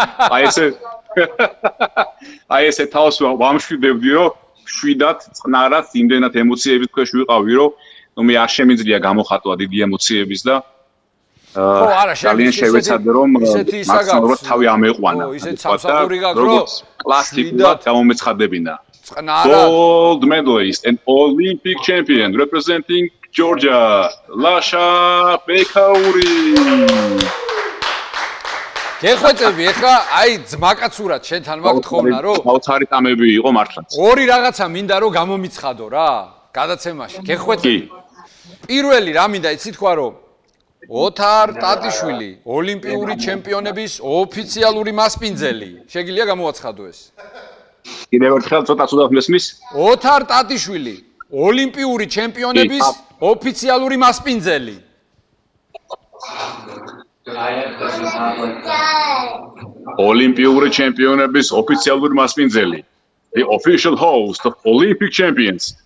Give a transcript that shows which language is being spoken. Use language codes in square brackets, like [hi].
[ka] აი ესე აი ესე თავს ვამშვიდებდი, რომ შვიდათ, წნარათ, იმდენად ემოციების ქვეშ ვიყავი, რომ ნუ მე არ შემიძლია გამოხატვა დიდი ემოციების და ხო, არა, ძალიან შევეცადე, რომ მაქსიმალურად თავი ამეყვანა. ხო, ისეთ სამსახური გაქვს, რომ პლასტიკურად გამომეცხადებინა. წნარა. [en] Gold medalist and Olympic champion representing Georgia, Lasha Bekauri. [ka] გეხვეწები ახლა, აი ძმაკაცურად შენთან მაქვს თხოვნა, რომ საოცარი ტამები იყო მართლაც. ორი რაღაცა მინდა რომ გამომიცხადო რა, გადაცემაში. გეხვეწები. პირველი რა მინდა, იცი თქვა რომ ოთარ სტატიშვილი, ოლიმპიური ჩემპიონების ოფიციალური მასპინძელი. შეგიძლია გამოაცხადო ეს? კიდევ ერთხელ ცოტა ცუდად მესმის? ოთარ სტატიშვილი, ოლიმპიური ჩემპიონების ოფიციალური მასპინძელი. ოლიმპიური ჩემპიონების ოფიციალური მასპინძელი. [en] The official host of Olympic champions.